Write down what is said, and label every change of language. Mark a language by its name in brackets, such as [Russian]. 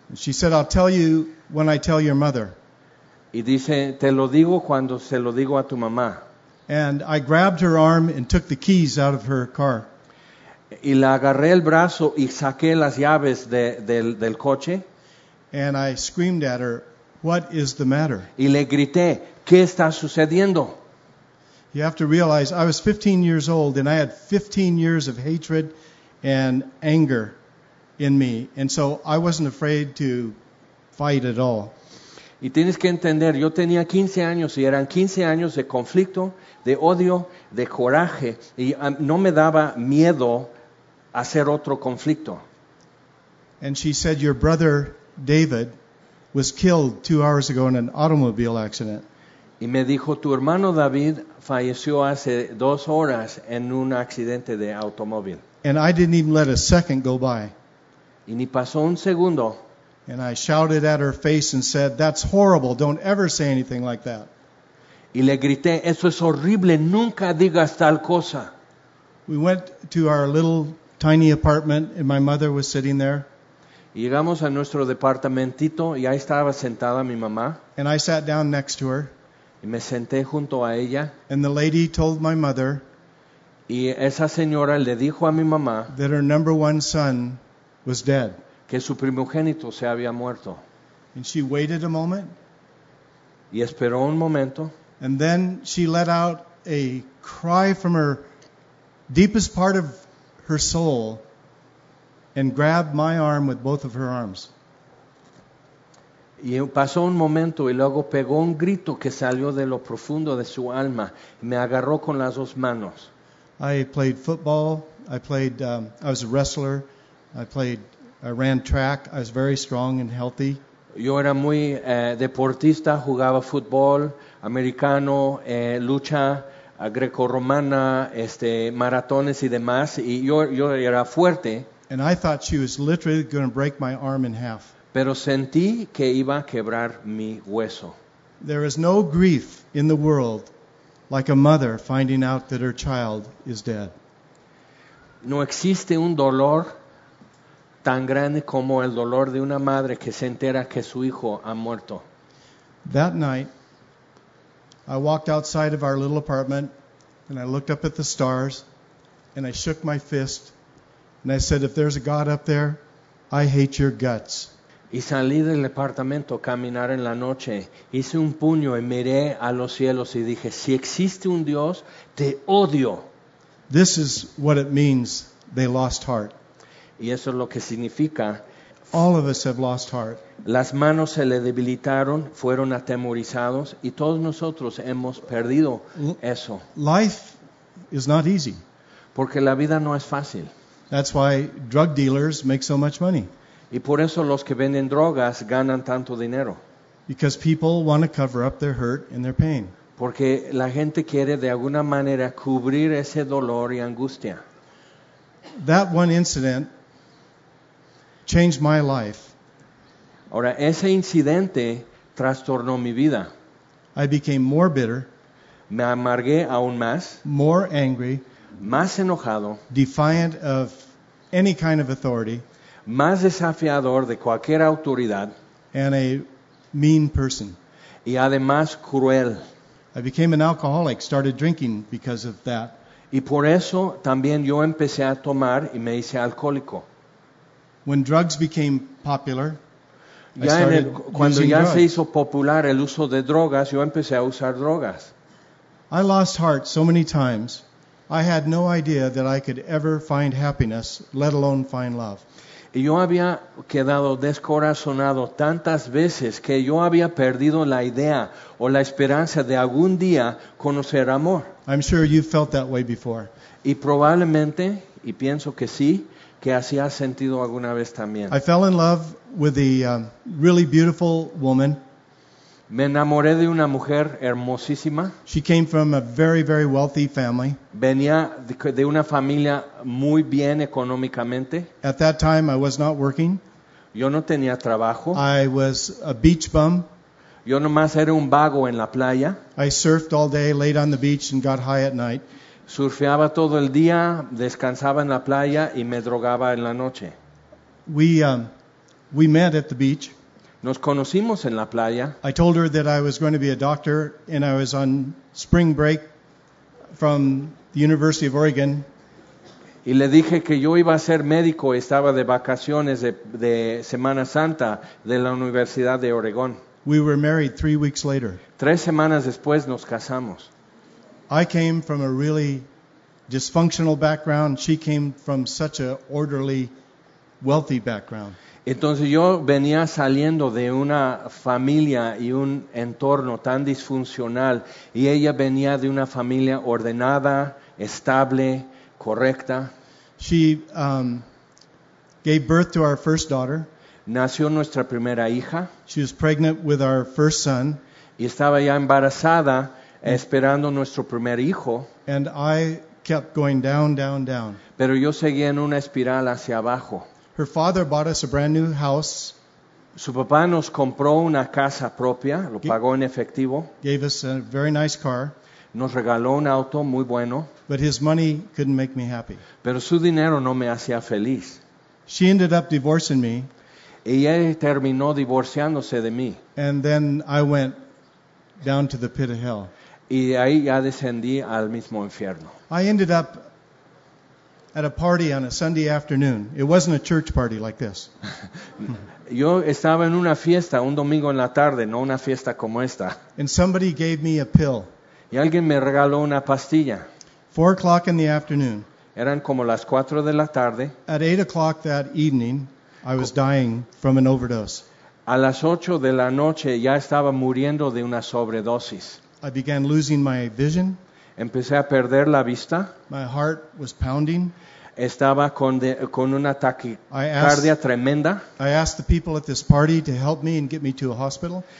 [English] She said, "I'll tell you when I tell your mother." [Spanish] Y dice, "Te lo digo cuando se lo digo a tu mamá." [English] And I grabbed her arm and took the keys out of her car. [Spanish] Y la agarré el brazo y saqué las llaves del coche. [English] And I screamed at her, "What is the matter?" [Spanish] Y le grité, "¿Qué está sucediendo?" [English] You have to realize I was 15 years old and I had 15 years of hatred and anger in me. And so I wasn't afraid to fight at all. [Spanish] Y tienes que entender, yo tenía 15 años y eran 15 años de conflicto, de odio, de coraje. Y no me daba miedo hacer otro conflicto. [English] And she said, "Your brother David was killed 2 hours ago in an automobile accident." [Spanish] Y me dijo, "Tu hermano David falleció hace 2 horas en un accidente de automóvil." [English] And I didn't even let a second go by. [Spanish] Y ni pasó un segundo. [English] And I shouted at her face and said, "That's horrible. Don't ever say anything like that." [Spanish] Y le grité, "Eso es horrible. Nunca digas tal cosa." [English] We went to our little tiny apartment and my mother was sitting there. [Spanish] Y llegamos a nuestro departamentito y ahí estaba sentada mi mamá. [English] And I sat down next to her. [Spanish] Y me senté junto a ella. [English] And the lady told my mother. [Spanish] Y esa señora le dijo a mi mamá. [English] That her number one son was dead. [Spanish] Que su primogénito se había muerto. [English] And she waited a moment. [Spanish] Y esperó un momento. [English] And then she let out a cry from her deepest part of her soul and grabbed my arm with both of her arms. [Spanish] Y pasó un momento y luego pegó un grito que salió de lo profundo de su alma. Me agarró con las dos manos. [English] I played football. I played. I was a wrestler. I ran track. I was very strong and healthy. [Spanish] Yo era muy deportista. Jugaba fútbol americano, lucha grecorromana, maratones y demás. Y yo era fuerte. [English] And I thought she was literally going to break my arm in half. [Spanish] Pero sentí que iba a quebrar mi hueso. [English] There is no grief in the world like a mother finding out that her child is dead. [Spanish] No existe un dolor tan grande como el dolor de una madre que se entera que su hijo ha muerto. [English] That night, I walked outside of our little apartment and I looked up at the stars and I shook my fist and I said, if there's a God up there, I hate your guts. [Spanish] Y salí del departamento a caminar en la noche. Hice un puño y miré a los cielos y dije, si existe un Dios, te odio. [English] This is what it means, they lost heart. [Spanish] Y eso es lo que significa. [English] All of us have lost heart. [Spanish] Las manos se le debilitaron, fueron atemorizados y todos nosotros hemos perdido eso. [English] Life is not easy. [Spanish] Porque la vida no es fácil. [English] That's why drug dealers make so much money. [Spanish] Y por eso los que venden drogas ganan tanto dinero. [English] Because people want to cover up their hurt and their pain. [Spanish] Porque la gente quiere de alguna manera cubrir ese dolor y angustia. [English] That one incident changed my life. [Spanish] Ahora, ese incidente trastornó mi vida. [English] I became more bitter. [Spanish] Me amargué aún más. [English] More angry. [Spanish] Más enojado. [English] Defiant of any kind of authority. [Spanish] Más desafiador de cualquier autoridad. [English] And a mean person. [Spanish] Y además cruel. [English] I became an alcoholic, started drinking because of that. [Spanish] Y por eso también yo empecé a tomar y me hice alcohólico. [English] When drugs became popular, [Spanish] ya [English] I started using [Spanish] cuando ya [English] drugs. [Spanish] Se hizo popular el uso de drogas, yo empecé a usar drogas. [English] I lost heart so many times, I had no idea that I could ever find happiness, let alone find love. [Spanish] Y yo había quedado descorazonado tantas veces que yo había perdido la idea o la esperanza de algún día conocer amor. [English] I'm sure you've felt that way before. [Spanish] Y probablemente, y pienso que sí, que así has sentido alguna vez también. [English] I fell in love with a really beautiful woman. [Spanish] Me enamoré de una mujer hermosísima. [English] She came from a very, very wealthy family. [Spanish] Venía de una familia muy bien económicamente. [English] At that time, I was not working. [Spanish] Yo no tenía trabajo. [English] I was a beach bum. [Spanish] Yo nomás era un vago en la playa. [English] I surfed all day, laid on the beach, and got high at night. [Spanish] Surfeaba todo el día, descansaba en la playa, y me drogaba en la noche. [English] We met at the beach. [Spanish] Nos conocimos en la playa. [English] I told her that I was going to be a doctor and I was on spring break from the University of Oregon. [Spanish] Y le dije que yo iba a ser médico y estaba de vacaciones de Semana Santa de la Universidad de Oregón. [English] We were married 3 weeks later. [Spanish] 3 semanas después nos casamos. [English] I came from a really dysfunctional background. She came from such an orderly, wealthy background. [Spanish] Entonces yo venía saliendo de una familia y un entorno tan disfuncional y ella venía de una familia ordenada, estable, correcta. [English] She gave birth to our first daughter. [Spanish] Nació nuestra primera hija. [English] She was pregnant with our first son. [Spanish] Y estaba ya embarazada esperando nuestro primer hijo. [English] And I kept going down, down, down. [Spanish] Pero yo seguía en una espiral hacia abajo. [English] Her father bought us a brand new house. [Spanish] Su papá nos compró una casa propia, lo pagó en efectivo. [English] Gave us a very nice car. [Spanish] Nos regaló un auto muy bueno. [English] But his money couldn't make me happy. [Spanish] Pero su dinero no me hacía feliz. [English] She ended up divorcing me. [Spanish] Ella terminó divorciándose de mí. [English] And then I went down to the pit of hell. [Spanish] Y ahí ya descendí al mismo infierno. [English] I ended up at a party on a Sunday afternoon. It wasn't a church party like this. [Spanish] Yo estaba en una fiesta un domingo en la tarde, no una fiesta como esta. [English] And somebody gave me a pill. [Spanish] Y alguien me regaló una pastilla. [English] 4 o'clock in the afternoon. [Spanish] Eran como las 4 de la tarde. [English] At 8 o'clock that evening, I was dying from an overdose. [Spanish] A las 8 de la noche ya estaba muriendo de una sobredosis. [English] I began losing my vision. [Spanish] Empecé a perder la vista. [English] My heart was pounding. [Spanish] Estaba con una taquicardia tremenda. [English] I asked the people at this party to help me and get me to a hospital.